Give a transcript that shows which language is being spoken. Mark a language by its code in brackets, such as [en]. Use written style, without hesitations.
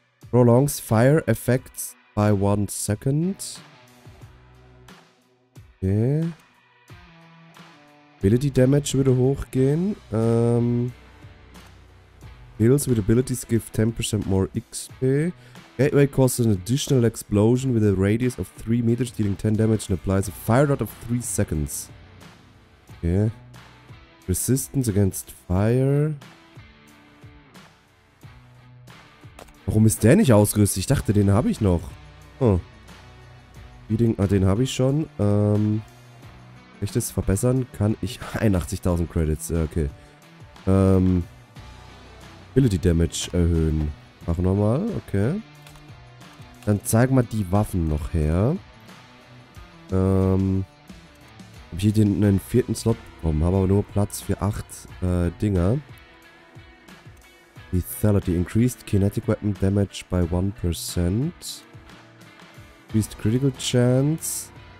[en] Prolongs Fire Effects by 1 Second. Okay. [de] Ability Damage würde hochgehen. [en] Heals with Abilities give 10% more XP. Gateway causes an additional explosion with a radius of 3 meters, dealing 10 damage and applies a fire rod of 3 seconds. Okay. Resistance against fire. [de] Warum ist der nicht ausgerüstet? Ich dachte, den habe ich noch. Feeding, ah, den habe ich schon. Kann ich das verbessern? Kann ich 81.000 Credits, okay. Ability Damage erhöhen. Machen wir mal, okay. Dann zeig mal die Waffen noch her. Hab ich hier einen vierten Slot bekommen, habe aber nur Platz für 8 Dinger. [en] Lethality increased kinetic weapon damage by 1%. Increased critical chance.